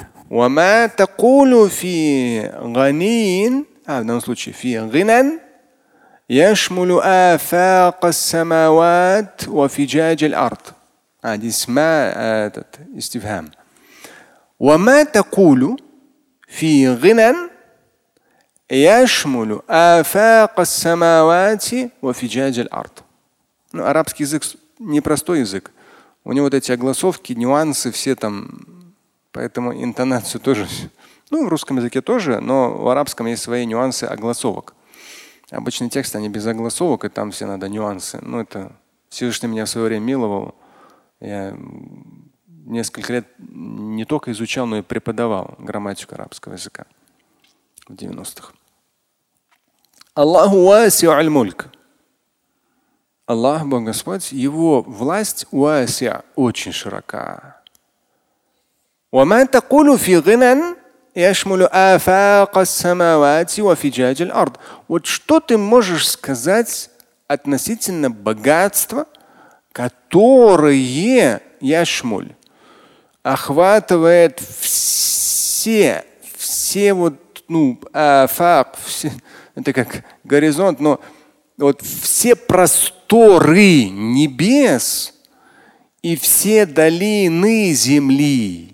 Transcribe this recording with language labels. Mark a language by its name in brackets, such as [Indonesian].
[Arabic] وما تقول في غنين [Russian] в данном случае [Arabic] في غنن يشمل آفاق السماوات وفجاج الأرض. اسم этот استفهام. وما تقول في غنن يشمل آفاق السماوات وفجاج الأرض. [Russian] Ну, арабский язык непростой язык. У него вот эти огласовки, нюансы все там. Поэтому интонацию тоже, ну, в русском языке тоже, но в арабском есть свои нюансы огласовок. Обычный текст, они без огласовок, и там все надо нюансы. Ну, это Всевышний меня в свое время миловал. Я несколько лет не только изучал, но и преподавал грамматику арабского языка в 90-х. [Arabic] Аллаху васиу аль-мульк. [Russian] Аллах, Бог Господь, его власть уасиа очень широка. [Arabic] وما تقول في غنن يشمل آفاق السماوات وفجاج الأرض. [Russian] Вот что ты можешь сказать относительно богатства, которое яшмуль охватывает все вот, ну, афак, все, это как горизонт, но вот все просторы небес и все долины земли.